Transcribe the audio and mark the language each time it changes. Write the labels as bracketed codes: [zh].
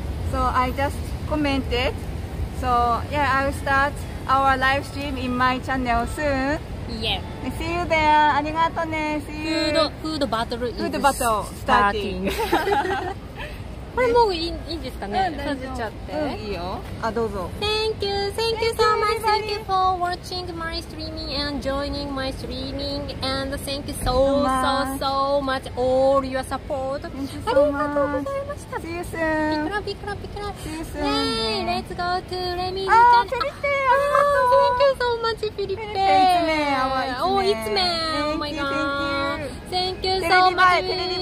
[en] So I just commented. So yeah, I'll start our live stream in my channel soon. Yeah. See you there. [ja] ありがとうね。 [en] See you. Food battle is starting. [ja] これもういいんですかね、閉じちゃって、うん、いいよ、あ、どうぞ。 [en] Thank you, thank you so much. Thank you for watching my streaming and joining my streaming. And thank you so, so, so much all your support. Thank you so much. [ja] ありがとうございました。 [en] See you soon. ピクラピクラピクラ。 See you soon. Hey, let's go to Lemi. [ja] あ、フィリペ、ありがとう。 [en] Thank you so much, フィリペ。 It's me. Oh, it's me. Oh my god. Thank you so much. [ja] テレビ映え、テレビ映え。